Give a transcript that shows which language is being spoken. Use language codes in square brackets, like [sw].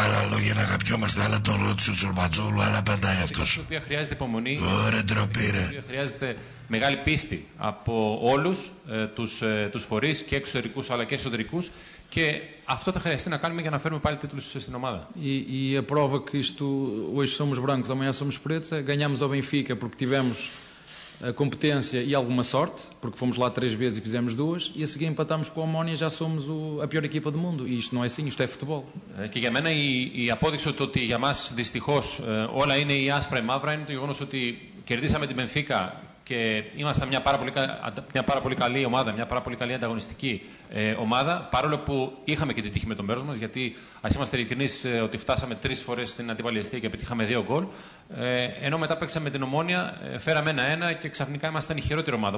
[el] κάνει. Άλλα λόγια να αγαπιόμαστε, άλλα τον ρώτησε ο Τσορμπατζόλου, άλλα απαντάει αυτός. Η οποία χρειάζεται υπομονή. Ωραία, ντροπή, ρε. Χρειάζεται μεγάλη πίστη από όλους τους φορείς, και εξωτερικούς αλλά και εσωτερικούς. Και αυτό θα χρειαστεί να κάνουμε για να φέρουμε πάλι τίτλους στην ομάδα. [pt] E a prova que isto, hoje somos brancos, amanhã somos pretos, é ganhámos ao Benfica porque tivemos a competência e alguma sorte, porque fomos lá 3 vezes e fizemos 2, e a seguir empatámos com a Omonia e já somos a pior equipa do mundo. E isto não é assim, isto é futebol. [el] Que για μένα η απόδειξη ότι για μας, δυστυχώς, όλα είναι η άσπρα e μαύρα, είναι το γεγονός ότι κερδίσαμε την Benfica. και ήμασταν μια πάρα πολύ, μια πάρα πολύ καλή ομάδα, μια πάρα πολύ καλή ανταγωνιστική ομάδα, παρόλο που είχαμε και την τύχη με το μέρος μας, γιατί ας είμαστε ειλικρινείς ότι φτάσαμε τρεις φορές στην αντίπαλη εστία και πετύχαμε δύο γκολ, ενώ μετά παίξαμε την Ομόνια, φέραμε 1-1 και ξαφνικά ήμασταν η χειρότερη ομάδα.